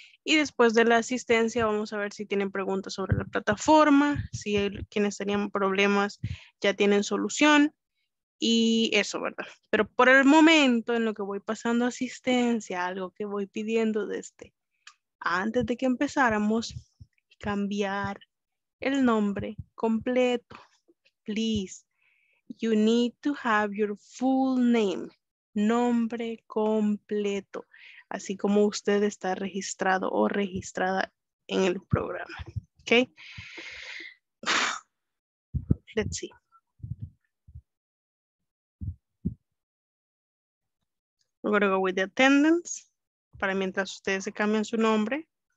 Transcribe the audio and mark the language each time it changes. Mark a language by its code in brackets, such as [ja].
[es] Y después de la asistencia, vamos a ver si tienen preguntas sobre la plataforma, si quienes tenían problemas ya tienen solución. Y eso, ¿verdad? Pero por el momento, en lo que voy pasando asistencia, algo que voy pidiendo de este... Antes de que empezáramos, cambiar el nombre completo. [en] Please, you need to have your full name. [es] Nombre completo. Así como usted está registrado o registrada en el programa. [en] Okay? Let's see. We're going to go with the attendance. [es] Para mientras ustedes se cambian su nombre.